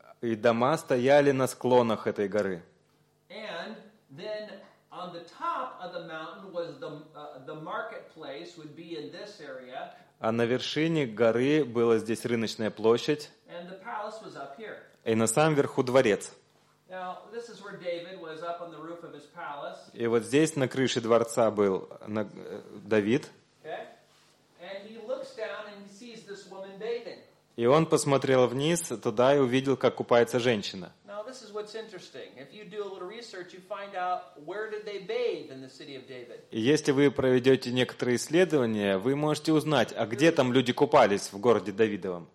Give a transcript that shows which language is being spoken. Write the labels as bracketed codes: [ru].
[ru] И дома стояли на склонах этой горы. [en] And then on the top of the mountain was the marketplace would be in this area. [ru] А на вершине горы была здесь рыночная площадь. [en] And the palace was up here. [ru] И на самом верху дворец. [en] Now, this is where David was up on the roof of his palace. [ru] И вот здесь на крыше дворца был Давид. [en] And he looks down and he sees this woman bathing. [ru] И он посмотрел вниз туда и увидел, как купается женщина. [en] Now, this is what's interesting. If you do a little research, you find out where did they bathe in the city of David. [ru] И если вы проведете некоторые исследования, вы можете узнать, а где там люди купались в городе Давидовом.